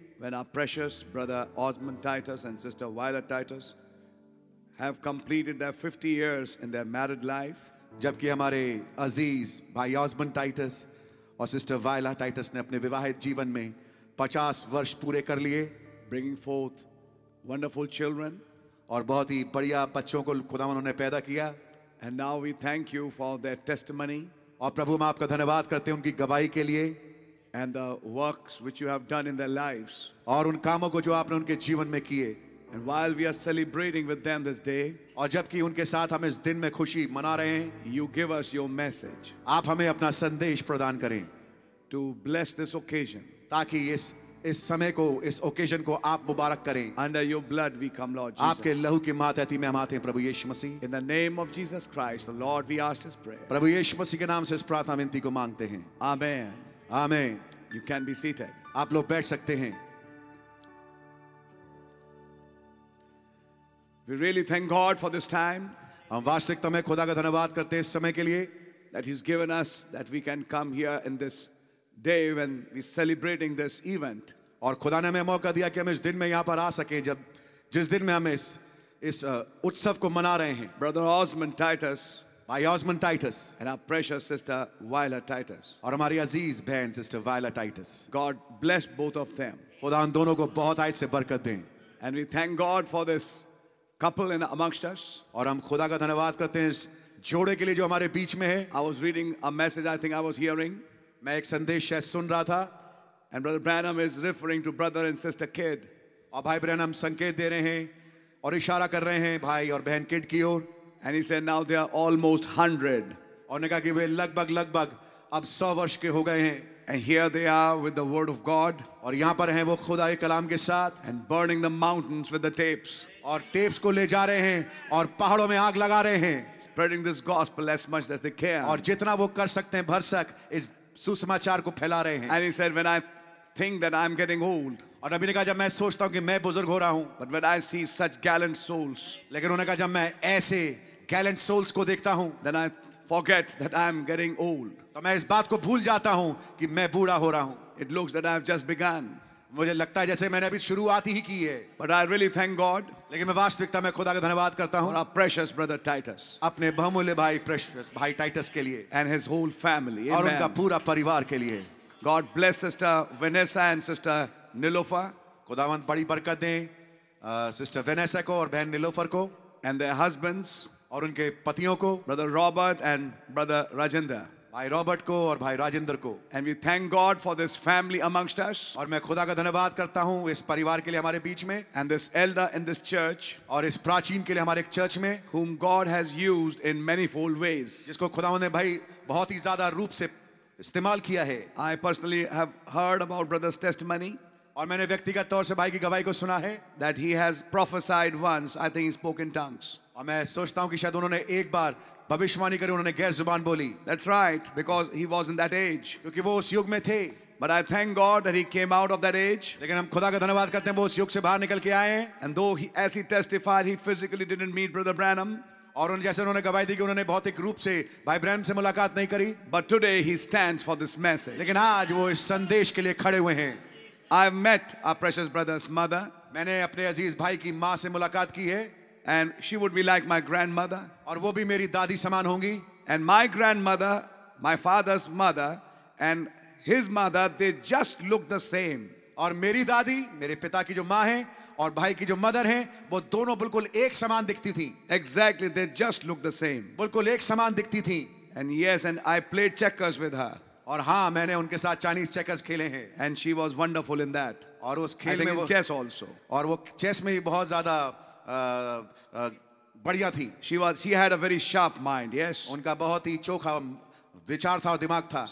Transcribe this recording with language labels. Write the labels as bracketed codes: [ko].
[en] When our precious brother Osman Titus and sister Violet Titus have completed their 50 years in their married life. [hi] जबकि हमारे अजीज भाई ऑस्मन Titus और sister violet Titus ने अपने विवाहित जीवन में 50 वर्ष पूरे कर लिए. [en] bringing forth wonderful children, [hi] और बहुत ही बढ़िया बच्चों को खुदा उन्होंने पैदा किया. [en] And now we thank you for their testimony. [hi] और प्रभु हम आपका धन्यवाद करते हैं उनकी गवाही के लिए. [en] And the works which you have done in their lives. [hi] और उन कामों को जो आपने उनके जीवन में किए. [en] And while we are celebrating with them this day. [hi] और जबकि उनके साथ हम इस दिन में खुशी मना रहे हैं. [en] You give us your message. [hi] आप हमें अपना संदेश प्रदान करें. [en] To bless this occasion. [hi] ताकि इस समय को, इस ओकेजन को आप मुबारक करें. [en] Under your blood we come, Lord Jesus. [hi] आपके लहू के मातहती में हम आते हैं प्रभु यीशु मसीह. [en] In the name of Jesus Christ, the Lord, we ask this prayer. [hi] प्रभु यीशु मसीह के नाम से इस प्रार्थना विनती को मांगते हैं. [en] Amen. Amen. You can be seated. [hi] आप लोग बैठ सकते हैं. [en] We really thank God for this time. [hi] हम वास्तविकता में खुदा का धन्यवाद करते हैं इस समय के लिए. [en] That He's given us that we can come here in this day when we celebrating this event. [hi] और खुदा ने हमें मौका दिया कि हम इस दिन में यहाँ पर आ सकें, जब जिस दिन में हम इस उत्सव को मना रहे हैं. [en] Brother Osmond Titus, by Osmond Titus, and our precious sister Violet Titus. [hi] और हमारी अजीज बहन sister Violet Titus. [en] God bless both of them. [hi] खुदा उन दोनों को बहुत आयत से बरकत दें. [en] And we thank God for this couple in amongst us. [hi] और हम खुदा का धन्यवाद करते हैं इस जोड़े के लिए जो हमारे बीच में है. [en] I was reading a message. I think I was hearing. [hi] मैं एक संदेश सुन रहा था. [en] And Brother Branham is referring to brother and sister Kid. [hi] और भाई ब्रैनम संकेत दे रहे हैं और इशारा कर रहे हैं भाई और बहन किड की ओर. [en] And he said now they are almost 100. [hi] और ने कहा कि वे लगभग अब 100 वर्ष के हो गए हैं. [en] And here they are with the word of God. [hi] और यहाँ पर हैं वो खुदा के कलाम के साथ. [en] And burning the mountains with the tapes. [hi] और टेप्स को ले जा रहे हैं और पहाड़ों में आग लगा रहे हैं. [en] Spreading this gospel as much as they can. [hi] और जितना वो कर सकते हैं भरसक इस सुसमाचार को फैला रहे हैं. [en] And he said, when I think that I'm getting old. [hi] और अभी ने कहा जब मैं सोचता हूँ कि मैं बुजुर्ग हो रहा हूँ. [en] But when I see such gallant souls. [hi] लेकिन उन्होंने कहा जब मैं ऐसे [en] gallant souls [hi] को देखता हूँ. [en] Then I forget that I'm getting old. [hi] तो तो मैं इस बात को भूल जाता हूं कि मैं बूढ़ा हो रहा हूं. [en] It looks that I have just begun. [hi] मुझे लगता है जैसे मैंने अभी शुरुआत ही की है. [en] But I really thank God. [hi] लेकिन मैं वास्तविकता में खुदा का धन्यवाद करता हूं. [en] For our precious brother Titus. [hi] अपने बहुमूल्य भाई precious भाई टाइटस के लिए. [en] And his whole family. [hi] और उनका पूरा परिवार के लिए. [en] God bless sister Vanessa and sister Nilofa. [hi] खुदावंत बड़ी बरकत दें सिस्टर वेनेसा को और बहन निलोफर को. [en] And their husbands. [hi] और उनके पतियों को. [en] Brother Robert and brother Rajendra. [hi] भाई रॉबर्ट को और भाई राजेंद्र को. [en] And we thank God for this family amongst us. [hi] और मैं खुदा का धन्यवाद करता हूँ इस परिवार के लिए हमारे बीच में. [en] And this elder in this church. [hi] और इस प्राचीन के लिए हमारे चर्च में. [en] Whom God has used in manifold ways. [hi] जिसको खुदा ने भाई बहुत ही ज्यादा रूप से इस्तेमाल किया है. [en] I personally have heard about brother's testimony. [hi] और मैंने व्यक्तिगत तौर से भाई की गवाही को सुना है. [en] That he has prophesied once. I think he spoke in tongues. [hi] और मैं सोचता हूँ कि शायद उन्होंने एक बार भविष्यवाणी करी, उन्होंने गैर जुबान बोली. [en] That's right, because he was in that age. [hi] क्योंकि वो उस युग में थे. [en] But I thank God that he came out of that age. [hi] लेकिन हम खुदा का धन्यवाद करते हैं वो उस युग से बाहर निकल के आए हैं. [en] And though as he testified, he physically didn't meet Brother Branham. [hi] और जैसे उन्होंने गवाही दी कि उन्होंने भौतिक रूप से भाई ब्रैनम से मुलाकात नहीं करी. [en] But today he stands for this message. [hi] लेकिन आज वो इस संदेश के लिए खड़े हुए हैं. [en] I've met our precious brother's mother. [hi] मैंने अपने अजीज भाई की माँ से मुलाकात की है. [en] And she would be like my grandmother. [hi] और वो भी मेरी दादी समान होंगी. [en] And my grandmother, my father's mother, and his mother, they just look the same. [hi] और मेरी दादी, मेरे पिता की जो माँ है और भाई की जो मदर है, वो दोनों बिल्कुल एक समान दिखती थी. [en] Exactly, they just look the same. [hi] बिल्कुल एक समान दिखती थी. [en] And yes, and I played checkers with her. [hi] और हाँ, मैंने उनके साथ चाइनीज चेकर्स खेले हैं. [en] And she was wonderful in that. [hi] और उस खेल में वो [en] Chess also. [hi] और वो चेस में भी बहुत ज्यादा बढ़िया थी. [en] She had a very sharp mind, yes. [hi] उनका बहुत ही चोखा विचार था और दिमाग था.